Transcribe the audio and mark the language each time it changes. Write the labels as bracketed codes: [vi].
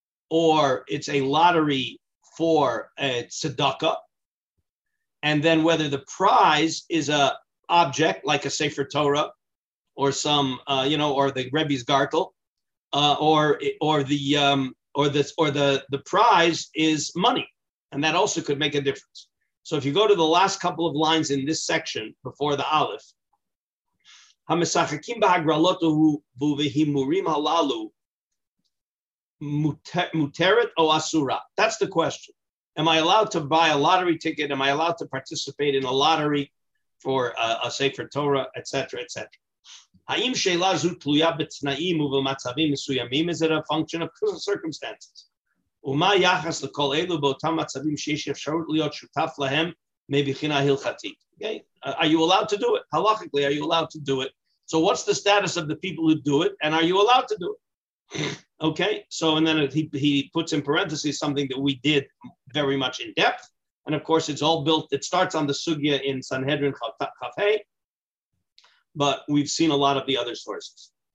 [en] or it's a lottery for a tzedakah, and then whether the prize is a object like a Sefer Torah or some, or the Rebbe's Gartel, or the prize is money. And that also could make a difference. So if you go to the last couple of lines in this section before the Aleph, [he] המשחקים בהגרלות ובהימורים הללו מותרת או אסורה? [en] That's the question. Am I allowed to buy a lottery ticket? Am I allowed to participate in a lottery for a Sefer Torah, etc., etc.? [he] האם שאלה זו תלויה בתנאים ובמצבים מסוימים? [en] Is it a function of circumstances? [he] ומה היחס לכל אלו באותם מצבים שיש אפשרות להיות שותף להם מבחינה הלכתית? [en] Okay. Are you allowed to do it? Halachically, are you allowed to do it? So what's the status of the people who do it, and are you allowed to do it? Okay, so and then he puts in parentheses something that we did very much in depth, and of course it's all built, it starts on the sugya in Sanhedrin Chafei, but we've seen a lot of the other sources.